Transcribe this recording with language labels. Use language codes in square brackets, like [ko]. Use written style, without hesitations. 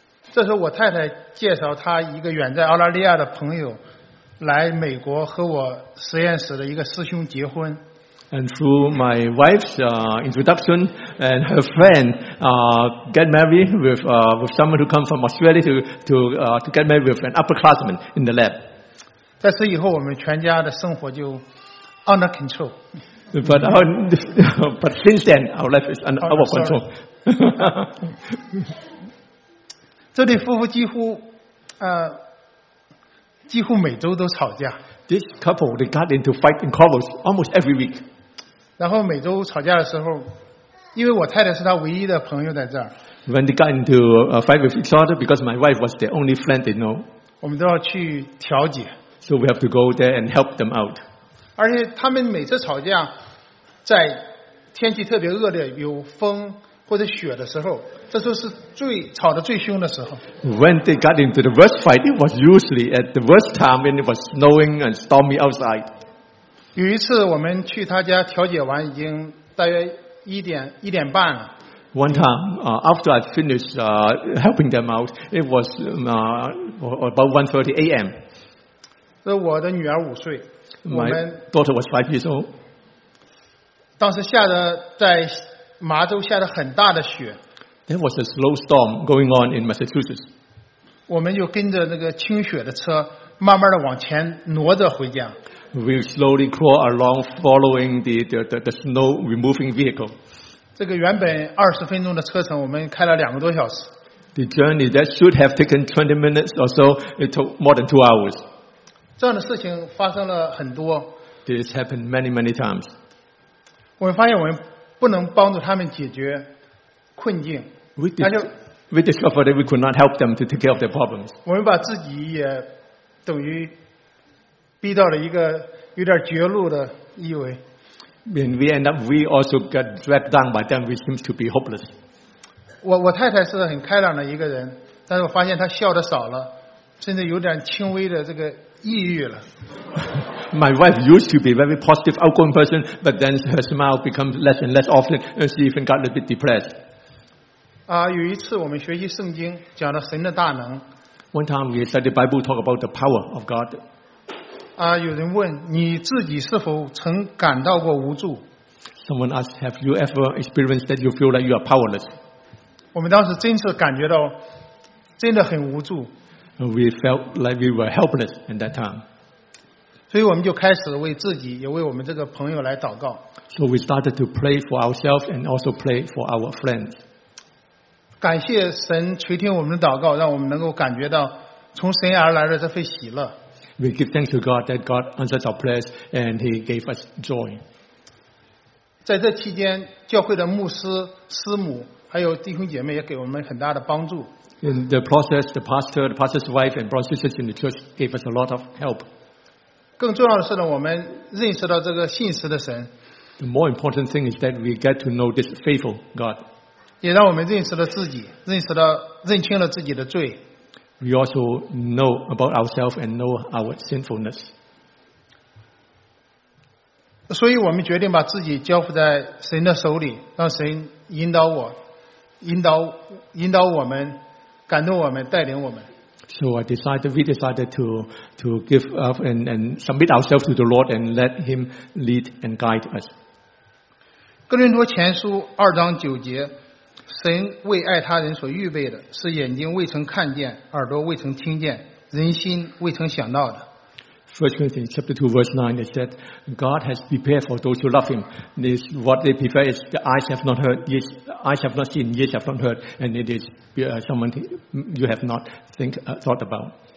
[zh] 这时候我太太介绍她一个远在澳大利亚的朋友来美国和我实验室的一个师兄结婚。 [en] And through my wife's introduction and her friend get married with someone who comes from Australia to get married with an upperclassman in the lab. [zh] 在此以后我们全家的生活就 [en] under control. But since then, our life is under our control. [zh] 这对夫妇几乎每周都吵架。 [en] This couple, they got into fighting quarrels almost every week. [zh] 然后每周吵架的时候，因为我太太是他唯一的朋友在这儿。 [en] When they got into a fight with each other, because my wife was their only friend they know. [zh] 我们都要去调解。 [en] So we have to go there and help them out. [zh] 而且他们每次吵架在天气特别恶劣有风或者雪的时候这时候是最吵得最凶的时候 [en] When they got into the worst fight it was usually at the worst time when it was snowing and stormy outside [zh] 有一次我们去他家调解完已经大约一点半了 [en] One time after I finished helping them out it was about 1:30 a.m. [zh] 这我的女儿五岁 [en] My daughter was 5 years old. [zh] 当时下的在麻州下的很大的雪。 [en] There was a slow storm going on in Massachusetts. [zh] 我们就跟着那个清雪的车，慢慢的往前挪着回家。 [en] We slowly crawl along, following the snow removing vehicle. [zh] 这个原本20分钟的车程，我们开了2个多小时。 [en] The journey that should have taken 20 minutes or so, it took more than 2 hours. [zh] 这样的事情发生了很多。 [en] This happened many, many times. [zh] 我们发现我们不能帮助他们解决困境。 [en] We discovered that we could not help them to take care of their problems. [zh] 我们把自己也等于逼到了一个有点绝路的意味。 [en] When we end up, we also got dragged down by them, which seems to be hopeless. [zh] 我太太是很开朗的一个人，但是我发现她笑得少了，甚至有点轻微的这个。抑郁了。 [en] My wife used to be a very positive, outgoing person, but then her smile becomes less and less often, and she even got a bit depressed. [zh] 有一次我们学习圣经，讲到神的大能。 [en] One time we studied the Bible, talk about the power of God. [zh] 有人问你自己是否曾感到过无助 [en] ？Someone asked, "Have you ever experienced that you feel like you are powerless?" [zh] 我们当时真是感觉到真的很无助。 [en] We felt like we were helpless at that time. [zh] 所以我们就开始为自己，也为我们这个朋友来祷告。 [en] So we started to pray for ourselves and also pray for our friends. [zh] 感谢神垂听我们的祷告，让我们能够感觉到从神而来的这份喜乐。 [en] We give thanks to God that God answered our prayers and He gave us joy. [zh] 在这期间，教会的牧师、师母还有弟兄姐妹也给我们很大的帮助。 [en] In the process, the pastor's wife and brothers in the church gave us a lot of help. [zh] 更重要的是呢，我们认识到这个信实的神。 [en] The more important thing is that we get to know this faithful God. [zh] 也让我们认识了自己，认清了自己的罪。 [en] We also know about ourselves and know our sinfulness. [zh] 所以我们决定把自己交付在神的手里，让神引导我们。感动我们，带领我们。 [en] So we decided to give up and submit ourselves to the Lord and let Him lead and guide us. [zh] 哥林多前书2:9，神为爱他人所预备的，是眼睛未曾看见，耳朵未曾听见，人心未曾想到的。 [en] First Corinthians chapter 2:9 it said, God has prepared for those who love Him. This what they prepare is the eyes have not heard, eyes have not seen, ears have not heard, and it is someone you have not thought about.